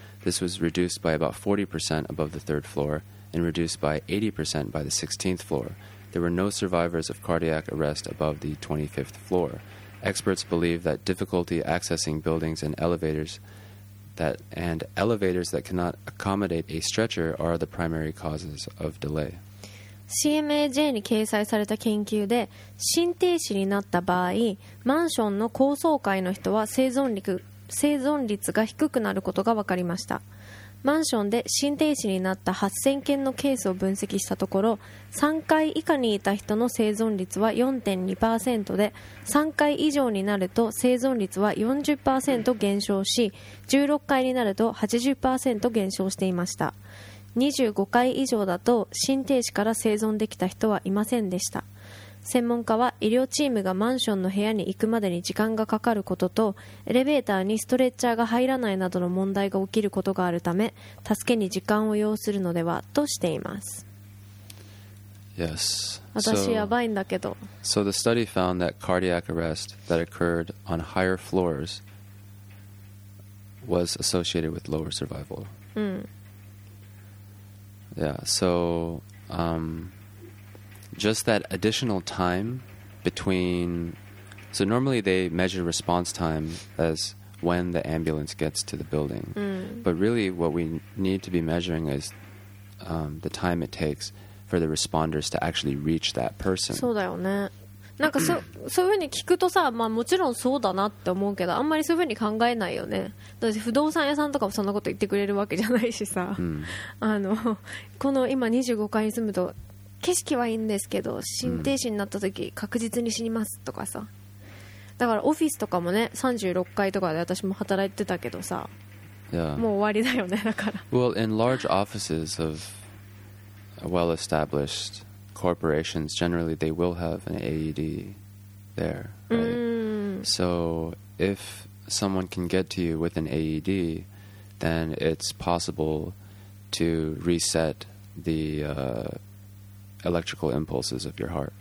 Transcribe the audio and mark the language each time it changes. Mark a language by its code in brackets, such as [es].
[en] This was reduced by about 40% above the third floor and reduced by 80% by the 16th floor. There were no survivors of cardiac arrest above the 25th floor. Experts believe that difficulty accessing buildings and elevators that cannot accommodate a stretcher are the primary causes of delay. [ja] CMAJ に掲載された研究で、心停止になった場合、マンションの高層階の人は生存率が低くなることが分かりました。マンションで心停止になった8000件のケースを分析したところ、3階以下にいた人の生存率は 4.2% で、3階以上になると生存率は 40% 減少し、16階になると 80% 減少していました。 25階以上だと心停止から生存できた人はいませんでした。専門家は医療チームがマンションの部屋に行くまでに時間がかかることとエレベーターにストレッチャーが入らないなどの問題が起きることがあるため助けに時間を要するのではとしています。 [en] Yes. [ja] 私やばいんだけど。 [en] So the study found that cardiac arrest that occurred on higher floors was associated with lower survival. Yeah, so just that additional time between, so normally they measure response time as when the ambulance gets to the building. But really what we need to be measuring is the time it takes for the responders to actually reach that person. [ja] そうだよね。なんかそういう風に聞くとさ、まあもちろんそうだなって思うけど、あんまりそういう風に考えないよね。だって不動産屋さんとかもそんなこと言ってくれるわけじゃないしさ、この今25階に住むと景色はいいんですけど心停止になった時確実に死にますとかさ、だからオフィスとかもね、36階とかで私も働いてたけどさ、もう終わりだよね。だから [en] Well, in large offices of well-established corporations, generally they will have an AED there, right? So if someone can get to you with an AED, then it's possible to reset the electrical impulses of your heart.